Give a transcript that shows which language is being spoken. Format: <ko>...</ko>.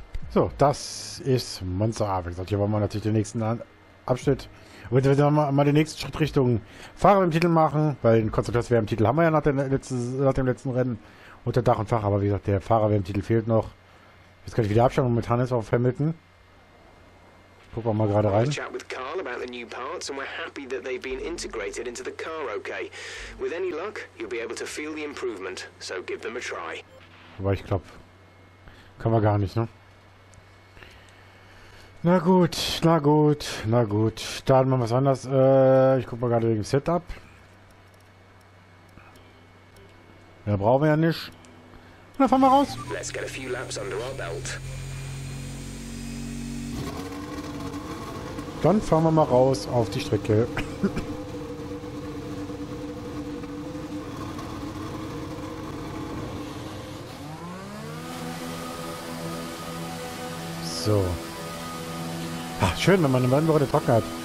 <de>So, das ist Monza. Wie gesagt, hier wollen wir natürlich den nächsten Abschnitt. Und wir werden mal den nächsten Schritt Richtung Fahrer im Titel machen, weil den Konstrukteurswert im Titel haben wir ja nach dem letzten Rennen. Unter Dach und Fach, aber wie gesagt, der Fahrer-WM-Titel fehlt noch. Jetzt kann ich wieder abschauen, momentan ist auf Hamilton. Guck mal gerade rein.</de> <en>Chat with Carl about the new parts and we're happy that they've been integrated into the car okay. With any luck, you'll be able to feel the improvement, so give them a try.</en> <de>Aber ich glaube, kann man gar nicht, ne? Na gut, na gut, na gut. Dann machen wir es anders. Ich guck mal gerade wegen Setup. Mehr brauchen wir ja nicht. Und dann fahren wir raus.</de> <en>Let's get a few laps under our belt.</en> <de>Dann fahren wir mal raus auf die Strecke. So. Ach, schön, wenn man eine neue Woche trocken hat.</de>